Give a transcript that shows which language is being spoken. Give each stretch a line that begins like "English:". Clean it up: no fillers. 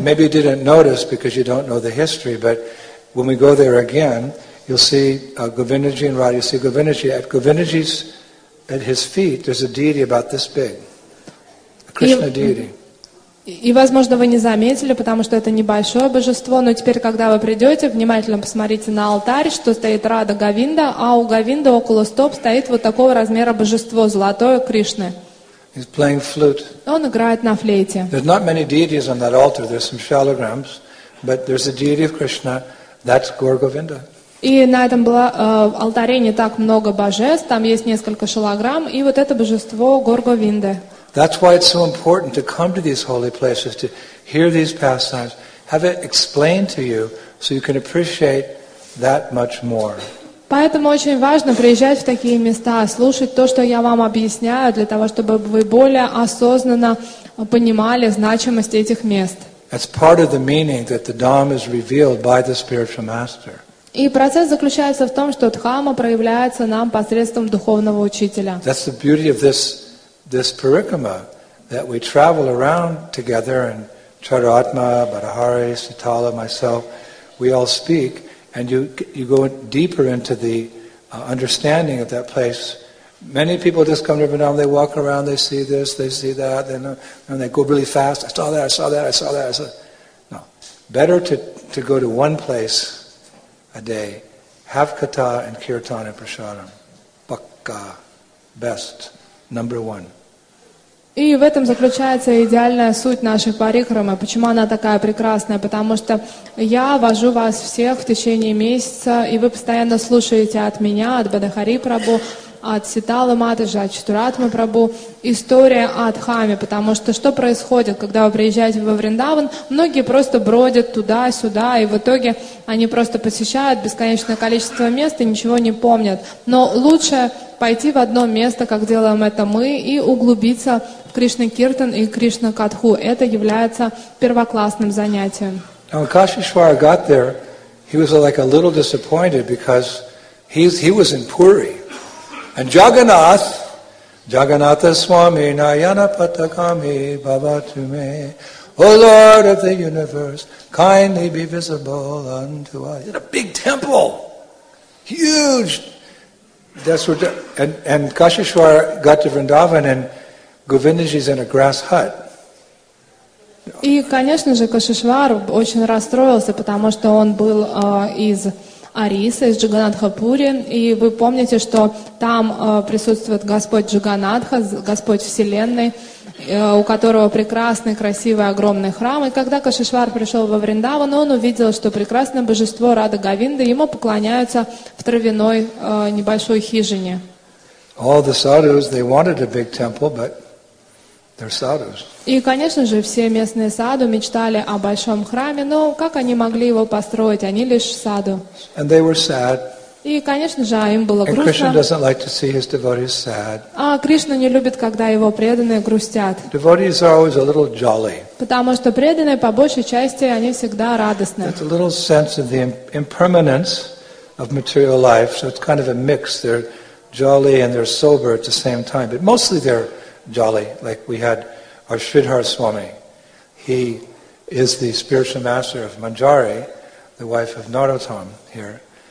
English: Maybe you didn't notice because you don't know the history, but when we go there again, you'll see Govindaji and Radha. You'll see Govindaji at Govindaji's at his feet. There's a deity about this big.
Russian: И, возможно, вы не заметили, потому что это небольшое божество, но теперь, когда вы придете, внимательно посмотрите на алтарь, что стоит Радха Говинда, а у Говинды около стоп стоит вот такого размера божество, золотое Кришны.
English: He's playing flute.
Russian: Он играет на флейте.
English: There's not many deities on that altar, there's some shalagrams, but there's a deity of Krishna, that's Gaura Govinda.
Russian: И на этом алтаре не так много божеств, там есть несколько шалаграмм, и вот это божество Гаура Говинды.
English: That's why it's so important to come to these holy places, to hear these pastimes, have it explained to you, so you can appreciate that much more.
Russian: Поэтому очень важно приезжать в такие места, слушать то, что я вам объясняю, для того, чтобы вы более осознанно понимали значимость этих мест.
English: That's part of the meaning that the Dham is revealed by the spiritual master.
Russian: И процесс заключается в том, что Дхамма проявляется нам посредством духовного учителя.
English: That's the beauty of this parikrama that we travel around together, and Charatma, Badahari, Sitala, myself, we all speak, and you go deeper into the understanding of that place. Many people just come to Vrindavan, they walk around, they see this, they see that, and they go really fast. I saw that. No. Better to go to one place a day, have katha and kirtan and prasadam. Pakka. Best. Number one.
Russian: И в этом заключается идеальная суть нашей парикрамы. Почему она такая прекрасная? Потому что я вожу вас всех в течение месяца, и вы постоянно слушаете от меня, от Бадахари Прабу, от Ситалы Матаджи, от Чатуратмы Прабу, история о Дхамме. Потому что происходит, когда вы приезжаете во Вриндаван? Многие просто бродят туда-сюда, и в итоге они просто посещают бесконечное количество мест и ничего не помнят. Но лучше пойти в одно место, как делаем это мы, и углубиться в Кришна Киртан и Кришна Катху. Это является первоклассным занятием.
English: Now, when Kashishwara got there, he was like a little disappointed because he was in Puri. And Jagannath,
Sanskrit: Jagannatha Swami, Nayana Patakami, Baba Tume,
English: O Lord of the universe, kindly be visible unto us. He had a big temple, huge. That's what and Kashishwara got to Vrindavan and Govindaji's in a grass hut.
Russian: И, конечно же, Кашишвар очень расстроился, потому что он был из Арисы, из Джаганатхапури, и вы помните, что там присутствует Господь Джаганатха, Господь Вселенной, у которого прекрасный, красивый, огромный храм. И когда Кашишвар пришел во Вриндаван, он увидел, что прекрасное божество Радха Говинда ему поклоняются в травяной небольшой хижине.
English: All the sadhus, they wanted a big temple, but their sadhus.
Russian: И, конечно же, все местные саду мечтали о большом храме, но как они могли его построить? Они лишь саду.
English: And they were sad.
Russian: И, конечно же, им было грустно.
English: And Krishna doesn't like to see his devotees sad.
Russian: А Кришна не любит, когда его преданные грустят.
English: Devotees are always a little jolly.
Russian: Потому что преданные по большей части они всегда радостны.
English: It's a little sense of the impermanence of material life, so it's kind of a mix. They're jolly and they're sober at the same time, but mostly they're jolly. Like we had our Sridhar Swami. He is the spiritual master of Manjari, the wife of Narottam here.